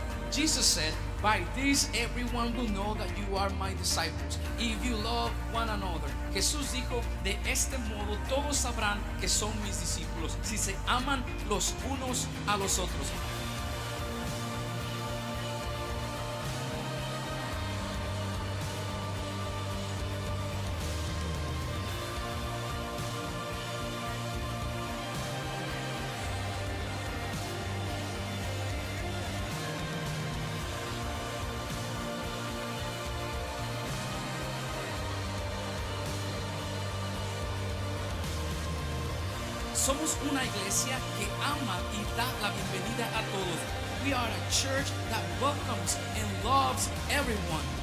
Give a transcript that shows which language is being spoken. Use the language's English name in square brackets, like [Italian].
[English] Jesus said, "By this everyone will know that you are my disciples, if you love one another." [Spanish] Jesús dijo, "De este modo todos sabrán que son mis discípulos, si se aman los unos a los otros." Somos una iglesia que ama y da la bienvenida a todos. [English] We are a church that welcomes and loves everyone.